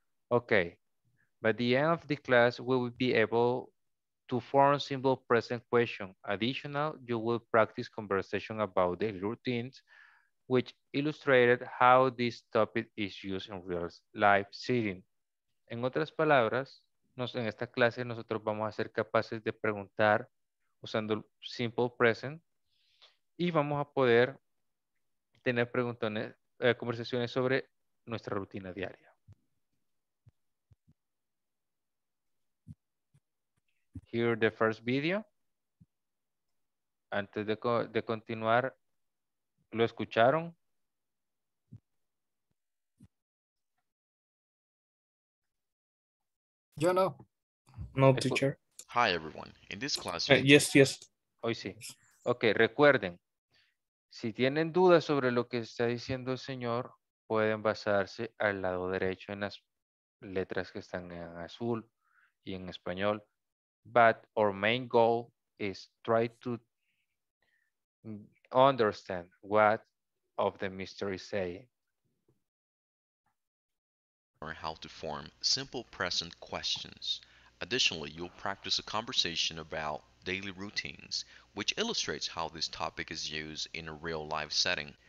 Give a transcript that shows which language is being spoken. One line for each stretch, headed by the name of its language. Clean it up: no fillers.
English: Okay, by the end of the class, we will be able to form simple present question. Additional, you will practice conversation about daily routines, which illustrated how this topic is used in real life setting.
Spanish: En otras palabras, en esta clase nosotros vamos a ser capaces de preguntar usando simple present y vamos a poder tener preguntones, conversaciones sobre nuestra rutina diaria.
English: Here the first video.
Spanish: Antes de continuar, ¿lo escucharon? Yo no.
English: No, teacher. Hi, everyone. In this class. Yes.
Spanish: Hoy sí. Ok, recuerden. Si tienen dudas sobre lo que está diciendo el señor, pueden basarse al lado derecho en las letras que están en azul y en español.
English: But our main goal is try to understand what of the mystery say. Learn how to form simple present questions. Additionally, you'll practice a conversation about daily routines, which illustrates how this topic is used in a real life setting.